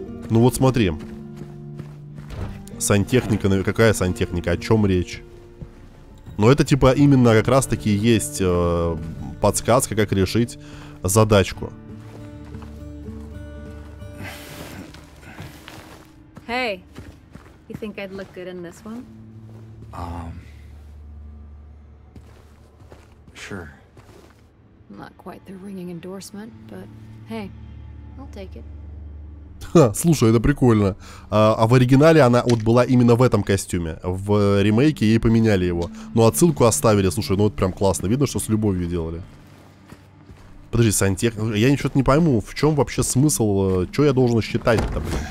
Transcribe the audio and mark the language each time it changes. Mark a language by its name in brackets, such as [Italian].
[Russian] Ну вот смотри. Сантехника, какая сантехника, о чем речь? Ну это типа именно как раз таки есть подсказка, как решить задачку. [English] Hey, you think I'd look good in this one? Sure. Not quite the ringing endorsement, but hey, I'll take it. [Russian] Слушай, это прикольно. А в оригинале она вот была именно в этом костюме. В ремейке ей поменяли его. Ну, отсылку оставили. Слушай, ну вот прям классно. Видно, что с любовью делали. Подожди, сантехника. Я что-то не пойму, в чем вообще смысл? Что я должен считать-то?